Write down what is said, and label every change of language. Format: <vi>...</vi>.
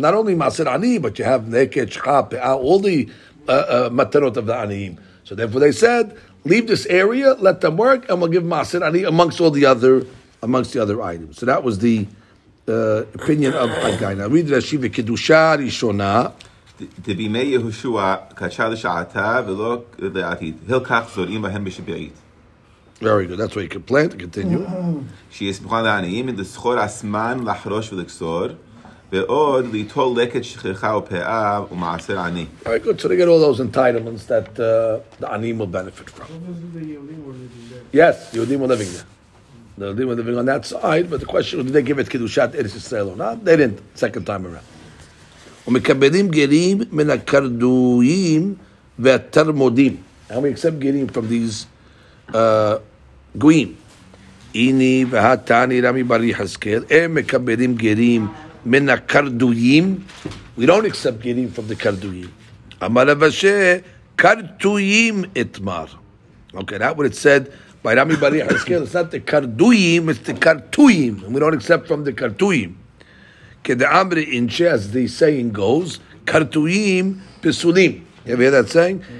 <en>Not only maaser aniyim, but you have neket, shcha, pe'ah, all the matanot of the aniyim. So therefore they said, leave this area, let them work, and we'll give maaser aniyim amongst the other items. So that was the opinion of Haggai. Now read Rashi v'kedusha rishona.</en> <he>דבימי יהושע קדשה לשעתה ולא לעתיד. הלכך זורעים בהם בשביעית.</he> <en>Very good. That's what you can plant. Continue.</en> <he>שיהיה סמוכה לעניים, לסחור הסמן לחרוש ולקסור, ועוד ליטול לקט שכחה ופאה ומעשר עני.</he> <en>Very good. So they get all those entitlements that the עניים will benefit from. Yes, the יהודים were living there. The יהודים were living on that side, but the question was, did they give it קדושת ארץ ישראל or not? They didn't, second time around.</en> <he>ומקבלים גרים מן הקרדויים והתרמודים.</he> <en>How we accept גרים from these גויים?</en> <arc>איני והתני רמי ברי חזקל, הם מקבלים גרים מן הקרדויים.</arc> <en>We don't accept גרים from the קרדויים.</en> <arc>אמר לבשה, קרדויים אתמר.</arc> <en>Okay, that's what it said by רמי ברי חזקל. It's not the קרדויים, it's the קרטויים. We don't accept from the קרטויים.</en> <arc>Kedamri inche,</arc> <en>as the saying goes, kartuim pesulim. You ever hear that saying?</en>